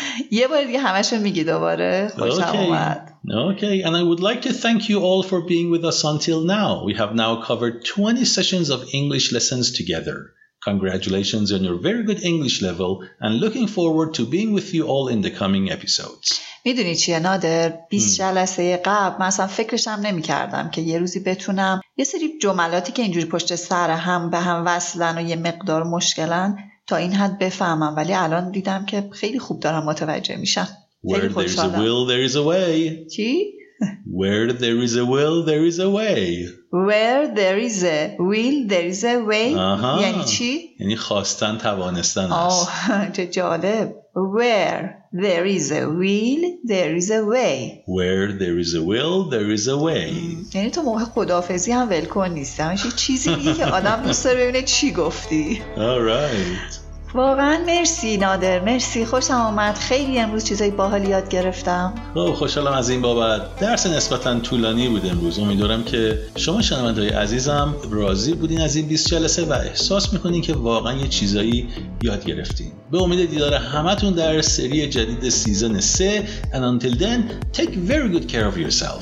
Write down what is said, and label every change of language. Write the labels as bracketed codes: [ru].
[fa] یه بار دیگه همشو میگی دوباره. خوشم اومد. [en] Okay, and I would like to thank you all for being with us until now. We have now covered 20 sessions of English lessons together. Congratulations on your very good English level and looking forward to being with you all in the coming episodes. [fa] میدونی چیه نادر؟ 20 جلسه قبل من اصلا فکرشم نمیکردم که یه روزی بتونم یه سری جملاتی که اینجوری پشت سر هم به هم وصلن و یه مقدار مشکلن تا این حد بفهمم، ولی الان دیدم که خیلی خوب دارم متوجه میشم. [en] Where there's a will, there is a way. [fa] چی؟ [en] Where there is a will, there is a way. Where there is a will, there is a way. [fa] یعنی چی؟ یعنی خواستن توانستن است. چه جالب. [en] Where there is a will, there is a way. Where there is a will, there is a way. [fa] یعنی تو موقع خداحافظی هم ولکن نیست. همش چیزی میگه که آدم دوست داره ببینه چی گفتی. [en] All right. [fa] واقعا مرسی نادر، مرسی، خوشم اومد، خیلی امروز چیزای باحال یاد گرفتم. خوشحالم از این بابت. درس نسبتا طولانی بود امروز، امیدوارم که شما شنوندهای عزیزم راضی بودین از این 20 جلسه و احساس میکنین که واقعا یه چیزایی یاد گرفتین. به امید دیدار همتون در سری جدید سیزن 3. [en] And until then, take very good care of yourself.